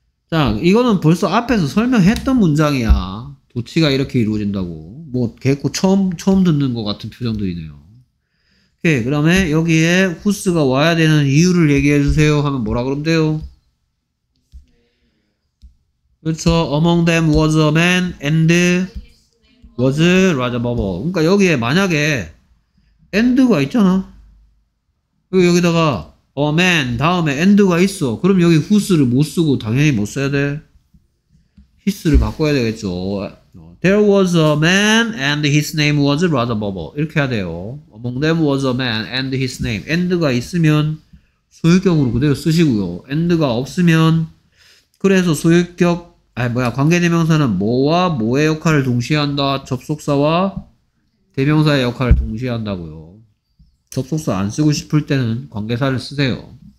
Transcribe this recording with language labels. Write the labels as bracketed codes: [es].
[ko] 자, 이거는 벌써 앞에서 설명했던 문장이야. 도치가 이렇게 이루어진다고. 뭐 개코 처음 듣는 것 같은 표정들이네요. 오케이, 그 다음에 여기에 후스가 와야 되는 이유를 얘기해 주세요 하면 뭐라 그러면 돼요? 그렇죠. [en] Among them was a man and was Raja Bobo. [ko] 그러니까 여기에 만약에 and가 있잖아. 그리고 여기다가 a man 다음에 end가 있어. 그럼 여기 whose를 못 쓰고 당연히 못 써야 돼. his를 바꿔야 되겠죠. [en] There was a man and his name was Raja Bobo. [ko] 이렇게 해야 돼요. [en] Among them was a man and his name. end가 있으면 [ko] 소유격으로 그대로 쓰시고요. 앤드가 없으면 그래서 소유격 아 뭐야 관계대명사는 뭐와 뭐의 역할을 동시에 한다. 접속사와 대명사의 역할을 동시에 한다고요. 접속사 안 쓰고 싶을 때는 관계사를 쓰세요.